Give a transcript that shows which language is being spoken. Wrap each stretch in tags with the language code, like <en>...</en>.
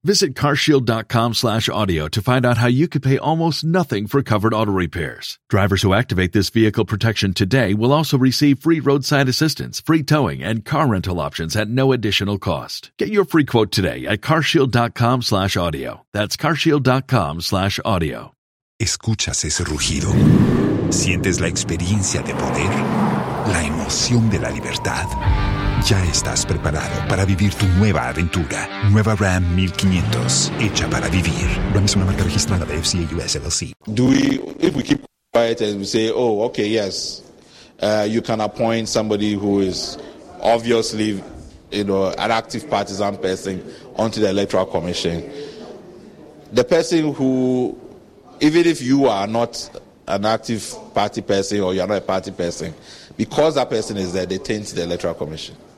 <en>Visit carshield.com/audio to find out how you could pay almost nothing for covered auto repairs. Drivers who activate this vehicle protection today will also receive free roadside assistance, free towing, and car rental options at no additional cost. Get your free quote today at carshield.com/audio. That's carshield.com/audio.</en> <es>¿Escuchas ese rugido? ¿Sientes la experiencia de poder? La emoción de la libertad. Ya estás preparado para vivir tu nueva aventura. Nueva Ram 1500, hecha para vivir. Ram es una marca registrada de FCA US LLC.</es> <en>If we keep quiet and we say, oh, okay, yes, you can appoint somebody who is obviously, you know, an active partisan person onto the Electoral Commission. The person who, even if you are not an active party person or you are not a party person, because that person is there, they taint the Electoral Commission.</en>